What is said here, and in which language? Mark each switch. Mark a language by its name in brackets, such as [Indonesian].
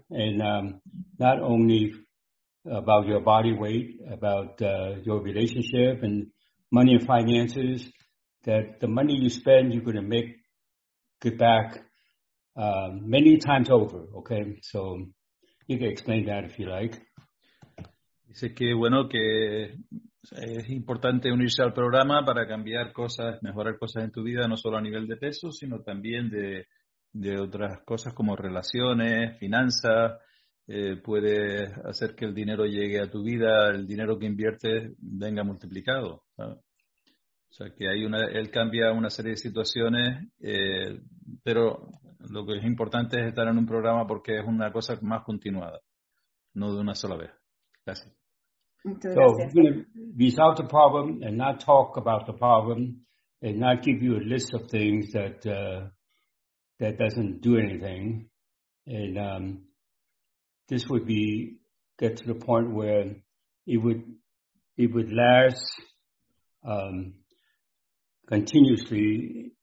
[English] And not only about your body weight, about your relationship and money and finances, that the money you spend, you're going to make good back many times over, okay? So you can explain that if you like. [Spanish] Dice que, bueno, que es importante unirse al programa para cambiar cosas, mejorar cosas en tu vida, no solo a nivel de peso, sino también de otras cosas como relaciones, finanzas. Puede hacer que el dinero llegue a tu vida, el dinero que inviertes venga multiplicado, ¿sabes? O sea, que hay él cambia una serie de situaciones, pero lo que es importante es estar en un programa porque es una cosa más continuada, no de una sola vez. Gracias. [English] So, we're going to resolve the problem and not talk about the problem and not give you a list of things that that doesn't do anything. And this would be get to the point where it would last continuously.